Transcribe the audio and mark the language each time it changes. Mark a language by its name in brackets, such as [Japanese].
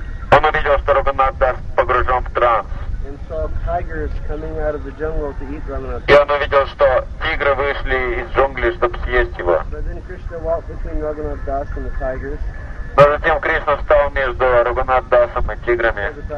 [Russian] Он увидел, что Рагунат Дас погружен в транс. [English] And saw tigers coming out of the jungle to eat Raghunath. [Russian] И он увидел, что тигры вышли из джунглей, чтобы съесть его. [English] But then Krishna walked between Raghunath Das and the tigers. [Russian] Но затем Кришна встал между Рагунат Дасом и тиграми.